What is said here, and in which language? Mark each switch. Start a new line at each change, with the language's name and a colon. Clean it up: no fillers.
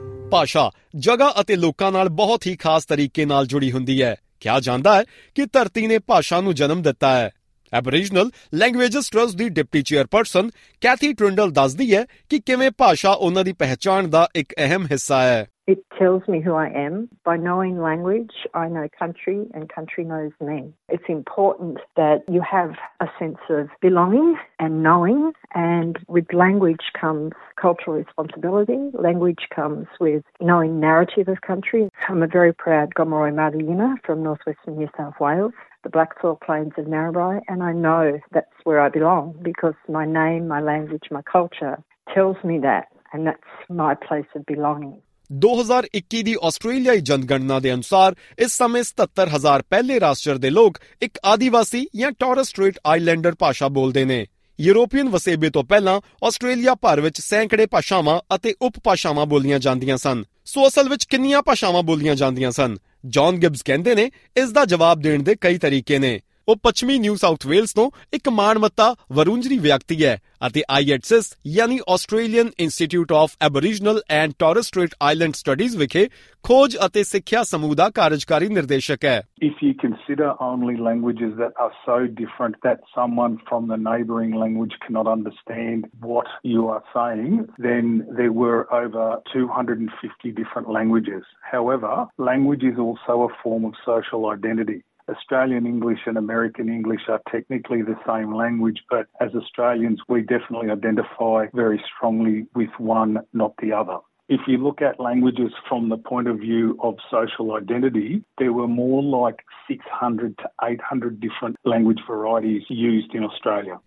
Punjabi: ਭਾਸ਼ਾ ਜਗ੍ਹਾ ਅਤੇ ਲੋਕਾਂ ਨਾਲ ਬਹੁਤ ਹੀ ਖਾਸ ਤਰੀਕੇ ਨਾਲ ਜੁੜੀ ਹੁੰਦੀ ਹੈ। ਕਿਹਾ ਜਾਂਦਾ ਹੈ ਕਿ ਧਰਤੀ ਨੇ ਭਾਸ਼ਾ ਨੂੰ ਜਨਮ ਦਿੱਤਾ ਹੈ। ਐਬਰੀਜਨਲ ਲੈਂਗੁਏਜਸ ਟਰੱਸਟ ਦੀ ਡਿਪਟੀ ਚੇਅਰਪਰਸਨ ਕੈਥੀ ਟ੍ਰਿੰਡਲ ਦੱਸਦੀ ਹੈ ਕਿ ਕਿਵੇਂ ਭਾਸ਼ਾ ਉਨ੍ਹਾਂ ਦੀ ਪਹਿਚਾਣ ਦਾ ਇੱਕ ਅਹਿਮ ਹਿੱਸਾ ਹੈ।
English: It tells me who I am. By knowing language, I know country, and country knows me. It's important that you have a sense of belonging and knowing, and with language comes cultural responsibility. Language comes with knowing narrative of country. I'm a very proud Gomeroi Marayina from northwestern New South Wales, the Black Soil Plains of Narrabri, and I know that's where I belong because my name, my language, my culture tells me that, and that's my place of belonging.
Punjabi: 2021 ਦੀ ਆਸਟ੍ਰੇਲੀਆਈ ਜਨਗਣਨਾ ਦੇ ਅਨੁਸਾਰ ਇਸ ਸਮੇਂ 70,000 ਪਹਿਲੇ ਰਾਸ਼ਟਰ ਦੇ ਲੋਕ ਇੱਕ ਆਦਿਵਾਸੀ ਜਾਂ ਟੌਰਸ ਸਟ੍ਰੇਟ ਆਈਲੈਂਡਰ ਭਾਸ਼ਾ ਬੋਲਦੇ ਨੇ। ਯੂਰੋਪੀਅਨ ਵਸੇਬੇ ਤੋਂ ਪਹਿਲਾਂ ਆਸਟ੍ਰੇਲੀਆ ਭਰ ਵਿੱਚ ਸੈਂਕੜੇ ਭਾਸ਼ਾਵਾਂ ਅਤੇ ਉਪ ਭਾਸ਼ਾਵਾਂ ਬੋਲੀਆਂ ਜਾਂਦੀਆਂ ਸਨ। ਸੋ ਅਸਲ ਵਿੱਚ ਕਿੰਨੀਆਂ ਭਾਸ਼ਾਵਾਂ ਬੋਲੀਆਂ ਜਾਂਦੀਆਂ ਸਨ? ਜੌਨ ਗਿਬਸ ਕਹਿੰਦੇ ਨੇ ਇਸ ਦਾ ਜਵਾਬ ਦੇਣ ਦੇ ਕਈ ਤਰੀਕੇ ਨੇ। ਉਹ ਪੱਛਮੀ ਨਿਊ ਸਾਊਥ ਵੇਲਸ ਤੋਂ ਇੱਕ ਮਾਣਮੱਤਾ ਵਰੁੰਜਰੀ ਵਿਅਕਤੀ ਹੈ ਅਤੇ ਆਈਐਟਸਿਸ ਯਾਨੀ Australian institute of Aboriginal and Taurus straight island studies ਵਿਖੇ ਖੋਜ ਅਤੇ ਸਿੱਖਿਆ ਸਮੂਹ ਦਾ ਕਾਰਜਕਾਰੀ ਨਿਰਦੇਸ਼ਕ ਹੈ।
English: If you consider only languages that are so different that someone from the neighbouring language cannot understand what you are saying, then there were over 250 different languages. However, language is also a form of social identity. Australian English and American English are technically the same language, but as Australians, we definitely identify very strongly with one, not the other. If you look at languages from the point of view of social identity, there were more like 600 to 800 different language varieties used in Australia.